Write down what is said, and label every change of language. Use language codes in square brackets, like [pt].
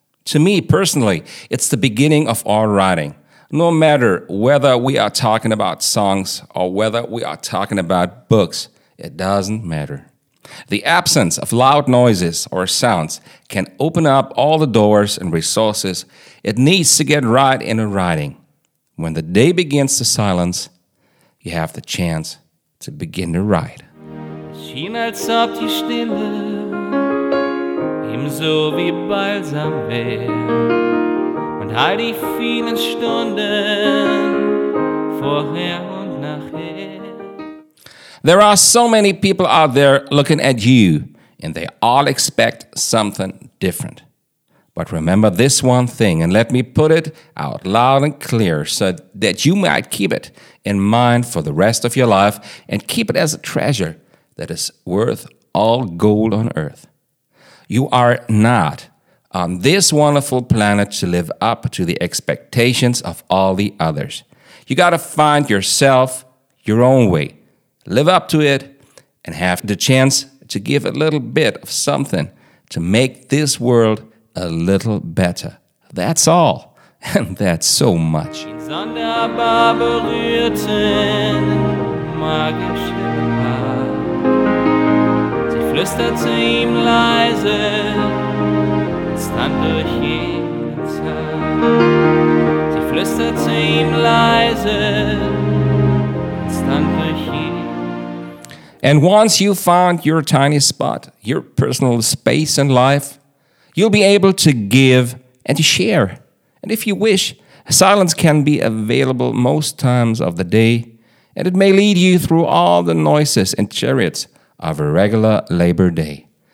[en] To me personally, it's the beginning of our writing. No matter whether we are talking about songs or whether we are talking about books, it doesn't matter. The absence of loud noises or sounds can open up all the doors and resources it needs to get right in a writing. When the day begins to silence, you have the chance to begin to write. [de] Schien als ob die Stille ihm so wie Balsam wär, und all die vielen Stunden vorher und nachher. [en] There are so many people out there looking at you, and they all expect something different. But remember this one thing, and let me put it out loud and clear so that you might keep it in mind for the rest of your life and keep it as a treasure that is worth all gold on earth. You are not on this wonderful planet to live up to the expectations of all the others. You got to find yourself your own way, live up to it, and have the chance to give a little bit of something to make this world a little better. That's all. And that's so much. [de] Die sonderbar berührten magische Paar. Sie flüsterte ihm leise und stand durch jeden Tag. Sie flüsterte ihm leise und stand durch jeden Tag. [en] And once you found your tiny spot, your personal space in life, you'll be able to give and to share. And if you wish, silence can be available most times of the day, and it may lead you through all the noises and chariots of a regular labor day.